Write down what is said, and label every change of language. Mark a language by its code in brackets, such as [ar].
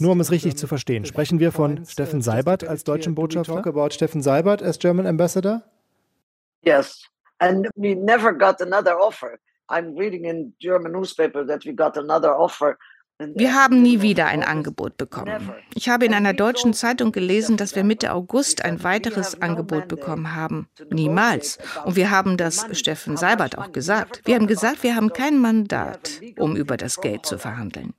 [de] Nur um es richtig zu verstehen, sprechen wir von Steffen Seibert als deutschem Botschafter? [en] Talk about Steffen Seibert as German Ambassador? Yes, and we never got another offer. I'm reading in German newspaper that we got another offer. [de] Wir haben nie wieder ein Angebot bekommen. Ich habe in einer deutschen Zeitung gelesen, dass wir Mitte August ein weiteres Angebot bekommen haben. Niemals. Und wir haben das Steffen Seibert auch gesagt. Wir haben gesagt, wir haben kein Mandat, um über das Geld zu verhandeln.